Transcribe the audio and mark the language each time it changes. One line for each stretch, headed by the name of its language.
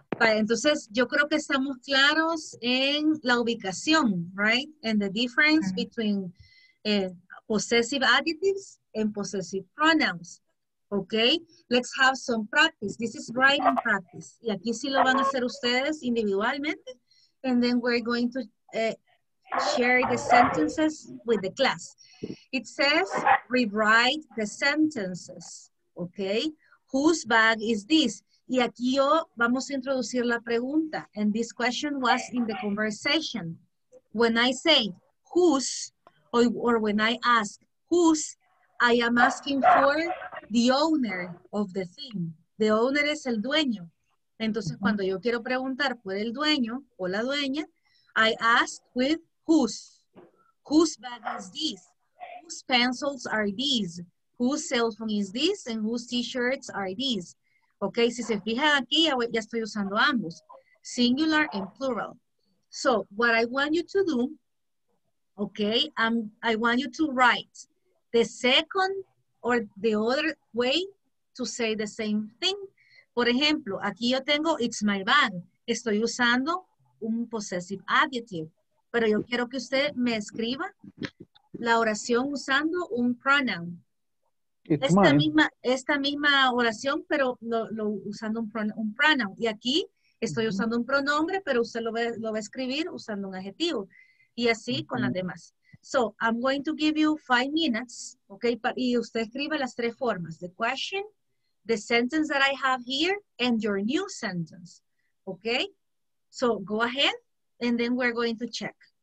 Spanish: Vale, entonces, yo creo que estamos claros en la ubicación,
English: right? And the difference between possessive adjectives and possessive pronouns. Okay, let's have some practice. This is writing practice.
Spanish: Y aquí sí lo van a hacer ustedes individualmente.
English: And then we're going to share the sentences with the class. It says, rewrite the sentences. Okay, whose bag is this?
Spanish: Y aquí yo vamos a introducir la pregunta.
English: And this question was in the conversation. When I say, whose, or when I ask, whose, I am asking for the owner of the thing. The owner
Spanish: es el dueño. Entonces, cuando yo quiero preguntar por el dueño o la dueña,
English: I ask with whose. Whose bag is this? Whose pencils are these? Whose cell phone is this? And whose t-shirts are these?
Spanish: Okay, si se fijan aquí, ya estoy usando ambos.
English: Singular and plural. So, what I want you to do, okay, I want you to write the second or the other way to say the same thing.
Spanish: Por ejemplo, aquí yo tengo,
English: it's my bag.
Spanish: Estoy usando un possessive adjective. Pero yo quiero que usted me escriba la oración usando un pronoun. Esta misma oración, pero lo usando un pronoun. Y aquí estoy usando un pronombre, pero usted lo va a escribir usando un adjetivo. Y así con las demás.
English: So, I'm going to give you 5 minutes, okay?
Spanish: Y usted escribe las tres formas.
English: The question, the sentence that I have here, and your new sentence, okay? So, go ahead, and then we're going to check.